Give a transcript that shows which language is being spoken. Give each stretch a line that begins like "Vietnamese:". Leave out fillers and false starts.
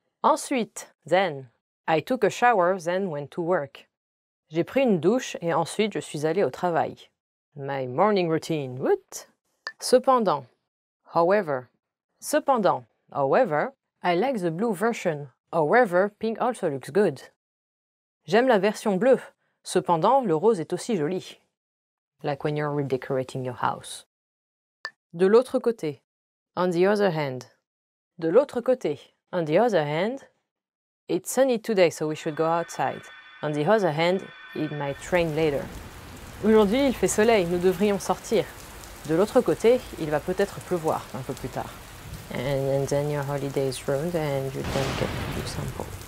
English: Ensuite, then. I took a shower, then went to work.
French: J'ai pris une douche et ensuite je suis allée au travail.
English: My morning routine, what? Cependant, however, I like the blue version. However, pink also looks good.
French: J'aime la version bleue. Cependant, le rose est aussi joli.
English: Like when you're redecorating your house.
French: De l'autre côté.
English: On the other hand. De l'autre côté. On the other hand. It's sunny today, so we should go outside. On the other hand, it might rain later.
French: Aujourd'hui, il fait soleil, nous devrions sortir. De l'autre côté, il va peut-être pleuvoir un peu plus tard.
English: And then your holiday is ruined and you don't get to do something.